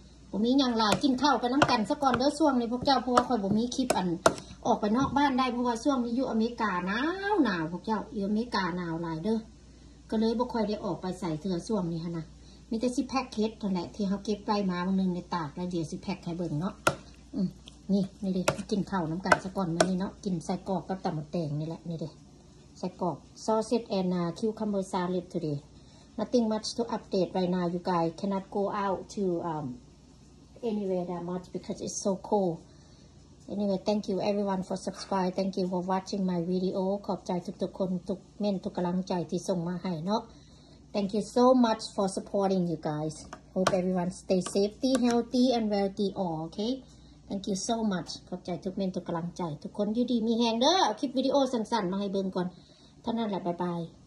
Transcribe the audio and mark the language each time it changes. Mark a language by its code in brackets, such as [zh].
[tts] บ่มีหยังหลายกินข้าวไปน้ำกันซะก่อนเด้อช่วงนี้พวกเจ้าเพราะว่าข่อยบ่มีคลิปอันออกไปนอกบ้านได้เพราะว่าช่วงนี้อยู่อเมริกาหนาวหนาวพวกเจ้าอยู่อเมริกาหนาวหลายเด้อก็เลยบ่ค่อยได้ออกไปใส่เสื้อช่วงนี้หั่นน่ะมีแต่สิแพ็คเคสเท่านั้นที่เฮาเก็บไว้มาบางนึงในตากแล้วเดี๋ยวสิแพ็คให้เบิ่งเนาะนี่นี่ดิกินข้าวน้ำกันซะก่อนมื้อนี้เนาะกินใส่กรอบกับตำบักแตงนี่แหละนี่ดิใส่กรอบ [en] ซอสเซตแอนคิวคัมเบอร์ซาเลตทูเดย์Nothing much to update right now, you guys. Cannot go out to anywhere that much because it's so cold. Anyway, thank you everyone for subscribe. Thank you for watching my video. [tts] ขอบใจทุกๆคนทุกเม่นทุกกำลังใจที่ส่งมาให้เนาะ [en] Thank you so much for supporting you guys. Hope everyone stay safety, healthy and wealthy all, okay? Thank you so much. [tts] ขอบใจทุกเม่นทุกกำลังใจทุกคนอยู่ดีมีแฮงเด้อคลิปวิดีโอสั้นๆมาให้เบิ่งก่อนเท่านั้นแหละบ๊ายบาย